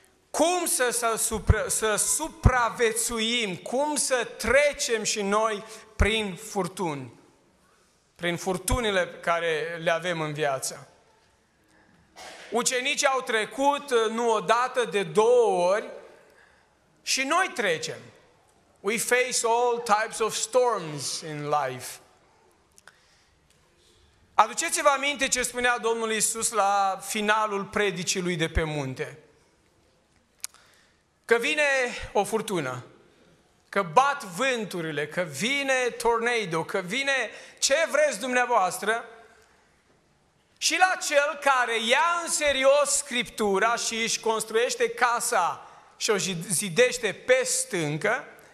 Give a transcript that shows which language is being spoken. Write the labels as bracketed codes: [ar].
[ro] Cum să supraviețuim, cum să trecem și noi prin furtuni, prin furtunile care le avem în viață? Ucenicii au trecut nu odată, de două ori și noi trecem. [en] We face all types of storms in life. [ro] Aduceți-vă aminte ce spunea Domnul Iisus la finalul predicii lui de pe munte. Că vine o furtună, că bat vânturile, că vine tornado, că vine ce vreți dumneavoastră, și la cel care ia în serios Scriptura și își construiește casa și o zidește pe stâncă,